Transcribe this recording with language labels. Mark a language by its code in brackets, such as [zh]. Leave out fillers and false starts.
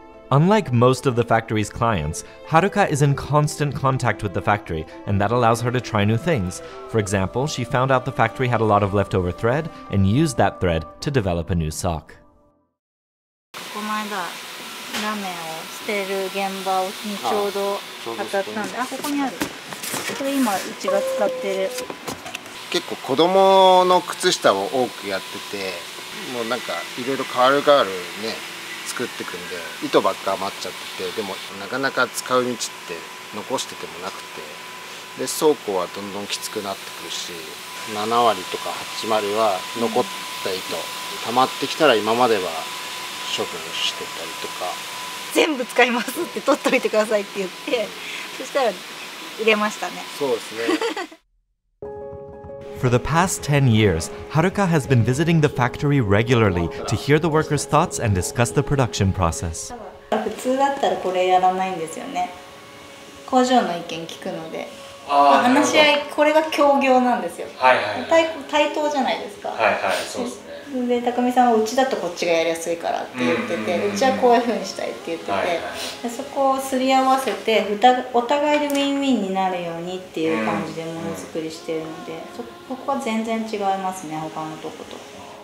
[en] Unlike most of the factory's clients, Haruka is in constant contact with the factory, and that allows her to try new things. For example, she found out the factory had a lot of leftover thread and used that thread to develop a new sock. [ja] ここ前だ、ラーメンを捨てる現場をちょうど当たったんで、あ、ここにある。これ今うちが使ってる。結構子供の靴下を多くやってて、もうなんかいろいろカールガールね作ってくんで、糸ばっか余っちゃってて、でもなかなか使う道って残しててもなくて、で倉庫はどんどんきつくなってくるし、7割とか8割は残った糸、うん、溜まってきたら今までは処分してたりとか、全部使いますって取っといてくださいって言って、うん、そしたら入れましたね。そうですね。 [en] For the past 10 years, Haruka has been visiting the factory regularly to hear the workers' thoughts and discuss the production process. [ja] 普通だったらこれやらないんですよね。工場の意見聞くので。話し合い、これが協業なんですよ。はいはいはい、対等じゃないですか。はいはい、そうですね。で、たくみさんはうちだとこっちがやりやすいからって言ってて、うちはこういうふうにしたいって言ってて、はいはい、そこをすり合わせて、お互いでウィンウィンになるようにっていう感じでものづくりしてるので、ここは全然違いますね、他のとこと。